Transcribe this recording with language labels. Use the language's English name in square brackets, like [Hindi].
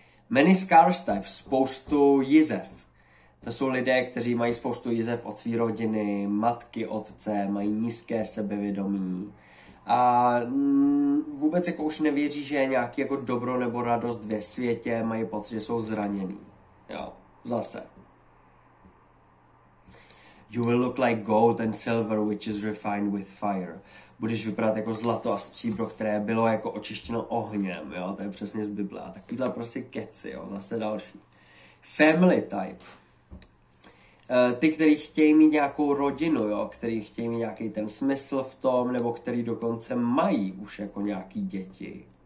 [English] Many scars type, [Czech] spoustu jizev. To jsou lidé, kteří mají spoustu jizev od své rodiny, matky, otce, mají nízké sebevědomí. A vůbec jako už nevěří, že je nějaký jako dobro nebo radost ve světě, mají pocit, že jsou zraněný. Jo, zase. [English] You will look like gold and silver, which is refined with fire. [Czech] Budeš vypadat jako zlato a stříbro, které bylo jako očištěno ohněm, jo, to je přesně z Bible. A takovýhle prostě keci, jo, zase další. [English] Family type. [Czech] Ty, kteří chtějí mít nějakou rodinu, jo? Který chtějí mít nějaký ten smysl v tom, nebo který dokonce mají už jako nějaký děti.